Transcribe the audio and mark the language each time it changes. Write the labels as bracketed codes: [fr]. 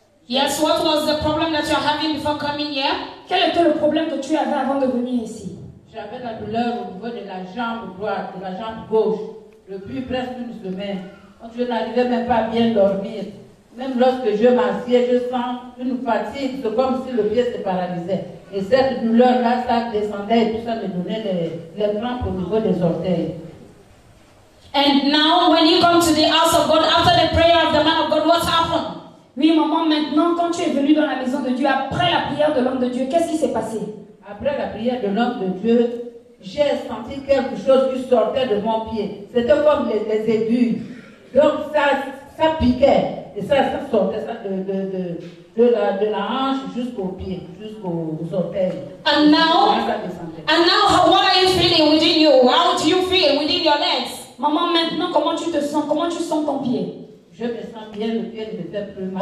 [en] Yes, what was the problem that you're having before coming here? [fr] Quel était le problème que tu avais avant de venir ici? J'avais la douleur au niveau de la jambe droite, de la jambe gauche. Le puits presque une semaine. Donc, je n'arrivais même pas à bien dormir. Même lorsque je m'assieds, je sens une fatigue, c'est comme si le pied se paralysait. Et cette douleur-là, ça descendait et tout ça me donnait les crampes au niveau des orteils. [en] And now, when you come to the house of God, after the prayer of the man of God, what happened? [fr] Oui, maman, maintenant, quand tu es venue dans la maison de Dieu, après la prière de l'homme de Dieu, qu'est-ce qui s'est passé? Après la prière de l'homme de Dieu, j'ai senti quelque chose qui sortait de mon pied. C'était comme les aiguilles. Donc, ça piquait. Et ça sortait ça de la hanche jusqu'au pied, jusqu'aux orteils. [en] And now, how are you feeling within you? How do you feel within your legs? [fr] Maman, maintenant, comment tu te sens? Comment tu sens ton pied? Je me sens bien, le pied ne me fait plus mal.